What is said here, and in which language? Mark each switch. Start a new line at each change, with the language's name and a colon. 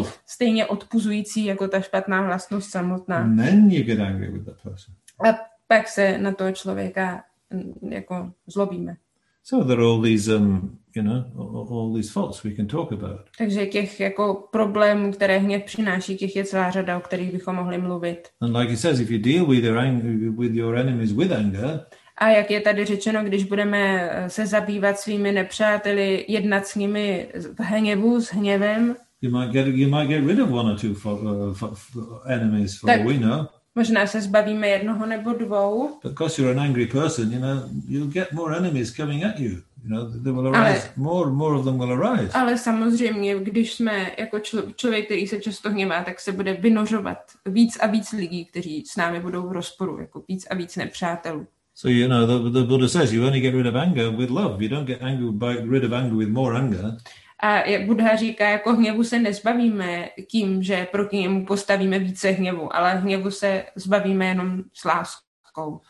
Czech: být stejně odpuzující jako ta špatná vlastnost samotná.
English: And then you get angry with that person.
Czech: A pak se na toho člověka jako zlobíme.
English: So there are all these, you know, all these faults we can talk about.
Czech: Takže těch jako problémů, které hněv přináší, těch je celá řada, o kterých bychom mohli mluvit.
English: And like he says, if you deal with your enemies with anger.
Czech: A jak je tady řečeno, když budeme se zabývat svými nepřáteli, jednat s nimi v hněvu, s hněvem.
English: You might get rid of one or two enemies, for all we know.
Czech: Možná se zbavíme jednoho nebo dvou.
English: Because you're an angry person, you know, you'll get more enemies coming at you. You know, they will arise. More of them will arise.
Czech: Ale samozřejmě, když jsme jako člověk, který se často hněvá, tak se bude vynořovat víc a víc lidí, kteří s námi budou v rozporu, jako víc a víc nepřátelů.
English: So you know, the Buddha says you only get rid of anger with love. You don't get angry by rid of anger with more anger.
Czech: A jak Buddha říká, jako hněvu se nezbavíme tím, že proti němu postavíme více hněvu, ale hněvu se zbavíme jenom s láskou.